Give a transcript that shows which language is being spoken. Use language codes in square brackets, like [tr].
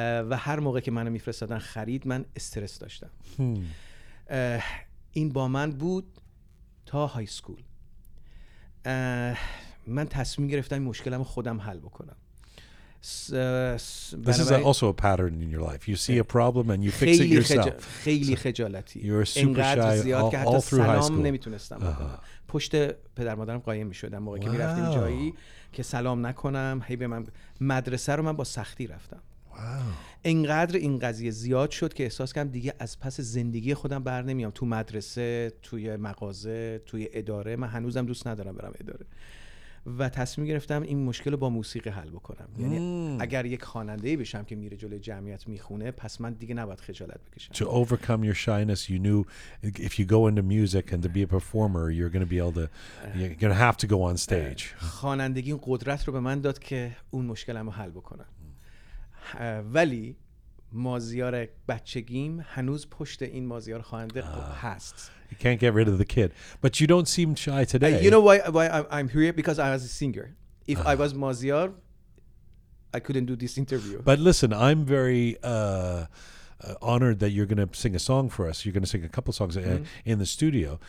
[fa] و هر موقع که منو میفرستادن خرید من استرس داشتم. این با من بود تا های سکول. من تصمیم گرفتم مشکلمو خودم حل بکنم. [en] This is also a pattern in your life. You see a problem and you fix it yourself. [fa] خیلی خجالتی. [en] You're super shy all through high school. [fa] نمیتونستم پشت پدر مادرم قایم میشدم موقعی که میرفتیم جایی که سلام نکنم. هی به من مدرسه رو من با سختی رفتم. [en] Wow. [fa] اینقدر این قضیه زیاد شد که احساس کردم دیگه از پس زندگی خودم بر نمیام. تو مدرسه، توی مغازه، توی اداره من هنوزم دوست ندارم برم اداره. و تصمیم گرفتم این مشکل رو با موسیقی حل بکنم. یعنی اگر یک خواننده‌ای بشم که میره جلوی جمعیت میخونه پس من دیگه نباید خجالت بکشم. [en] To overcome your shyness, you knew if you go into music and to be a performer, you're going to be able to, you're going to have to go on stage. [fa] خوانندگی این قدرت رو به من داد که اون مشکلم رو حل بکنم. ولی مازیار بچگیم هنوز پشت این مازیار خواننده هست. [en] You can't get rid of the kid. But you don't seem shy today. You know why I'm here? Because I was a singer. If I was Mazyar, I couldn't do this interview. But listen, I'm very honored that you're going to sing a song for us. You're going to sing a couple songs in the studio.